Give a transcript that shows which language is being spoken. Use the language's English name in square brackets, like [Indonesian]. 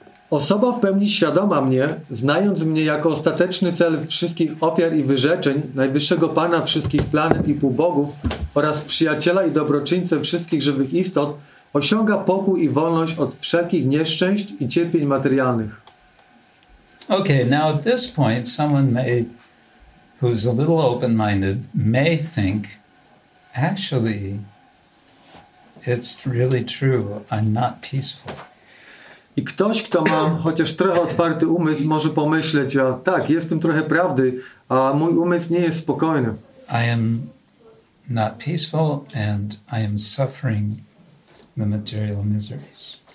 [Polish] Osoba w pełni świadoma mnie, znając mnie jako ostateczny cel wszystkich ofiar i wyrzeczeń, najwyższego Pana wszystkich planet i półbogów oraz przyjaciela i dobroczyńcę wszystkich żywych istot, osiąga pokój i wolność od wszelkich nieszczęść i cierpień materialnych. [English] Okay, now at this point someone who's a little open-minded may think, actually, it's really true, I'm not peaceful. [Polish] I ktoś, kto ma chociaż trochę otwarty umysł, może pomyśleć, a tak, jestem trochę prawdy, a mój umysł nie jest spokojny. [English] I am not peaceful and I am suffering the material miseries.